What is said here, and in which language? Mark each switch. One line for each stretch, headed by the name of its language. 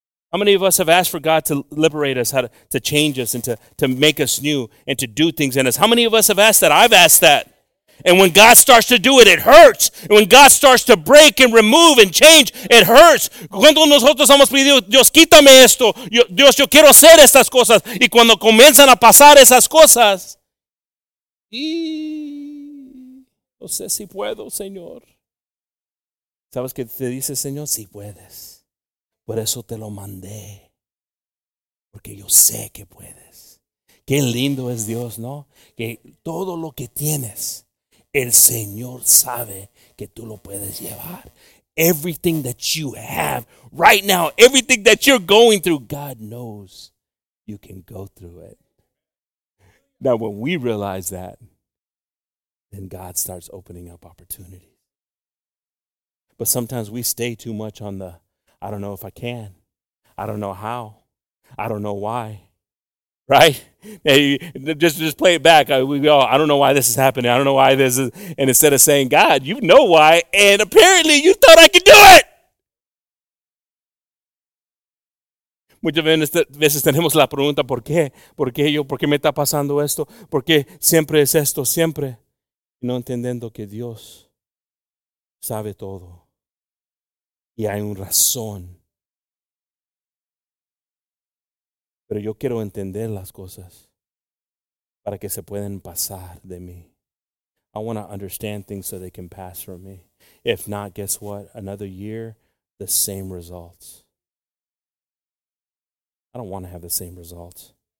English: How many of us have asked for God to liberate us, how to change us and to make us new and to do things in us? How many of us have asked that? I've asked that. And when God starts to do it, it hurts. And when God starts to break and remove and change, it hurts.
Spanish: Cuando nosotros hemos pedido, Dios, quítame esto. Dios, yo quiero hacer estas cosas. Y cuando comienzan a pasar esas cosas, y no sé si puedo, Señor. ¿Sabes qué te dice, Señor? Sí puedes. Por eso te lo mandé. Porque yo sé que puedes. Qué lindo es Dios, ¿no? Que todo lo que tienes, el Señor sabe que tú lo puedes llevar.
English: Everything that you have right now, everything that you're going through, God knows you can go through it. Now, when we realize that, then God starts opening up opportunities. But sometimes we stay too much on the, I don't know if I can, I don't know how, I don't know why. Right? Just play it back. I don't know why this is happening. I don't know why this is. And instead of saying, God, you know why. And apparently you thought I could do it.
Spanish: Muchas veces tenemos la pregunta, ¿por qué? ¿Por qué yo? ¿Por qué me está pasando esto? ¿Por qué siempre es esto? Siempre. No entendiendo que Dios sabe todo. Y hay una razón. Pero yo quiero entender las cosas para que se puedan pasar de mí.
English: I want to understand things so they can pass from me. If not, guess what? Another year, the same results. I don't want to have the same result.